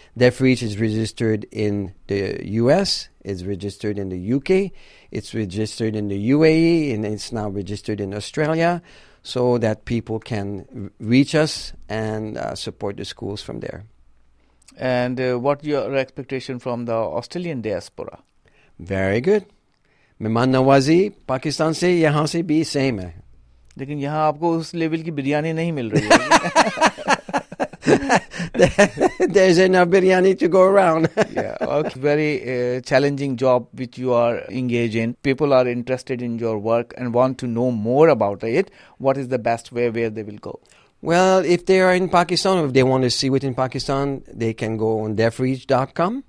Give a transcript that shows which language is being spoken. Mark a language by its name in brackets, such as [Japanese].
[English] DeafReach is registered in the US, it's registered in the UK, it's registered in the UAE, and it's now registered in Australia, so that people can reach us and support the schools from there. And what your expectation from the Australian diaspora? Very good. [Hindi] मेहमान नवाजी पाकिस्तान से यहाँ से भी same है लेकिन यहाँ आपको उस लेवल की बिरयानी नहीं मिल रही [English] There's enough biryani to go around. Yeah, okay. Very challenging job which you are engaged in. People are interested in your work and want to know more about it. What is the best way where they will go? Well, if they are in Pakistan or if they want to see within Pakistan, they can go on deafreach.com.